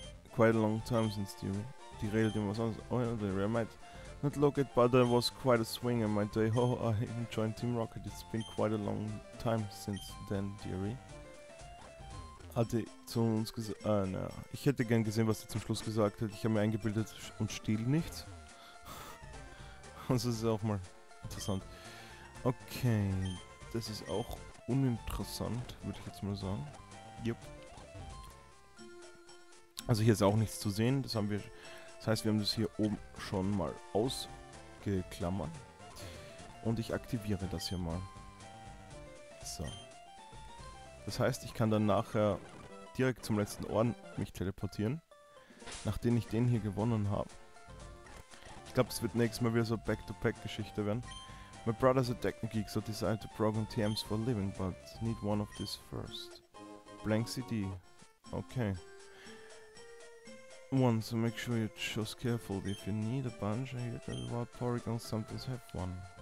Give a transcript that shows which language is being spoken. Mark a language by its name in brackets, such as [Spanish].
[English] Quite a long time since [German] die redet immer was anderes. [English] Oh ja, yeah, I might not look it, but there was quite a swing in my day. Oh, I even joined Team Rocket. It's been quite a long time since then, dearie. [German] Hatte zu uns gesagt. Ah, na. Ich hätte gern gesehen, was sie zum Schluss gesagt hat. Ich habe mir eingebildet und stehle nichts. Also, das ist auch mal interessant. Okay. Das ist auch uninteressant, würde ich jetzt mal sagen. Yep. Also hier ist auch nichts zu sehen, das haben wir. Das heißt, wir haben das hier oben schon mal ausgeklammert. Und ich aktiviere das hier mal. So. Das heißt, ich kann dann nachher direkt zum letzten Orden mich teleportieren. Nachdem ich den hier gewonnen habe. Ich glaube, es wird nächstes Mal wieder so Back-to-Back-Geschichte werden. [English] My brother's a Technogeek, so decided to program TMs for a living, but need one of these first. Blank CD. Okay. One, so make sure you choose carefully. If you need a bunch, I hear that about Porygon sometimes have one.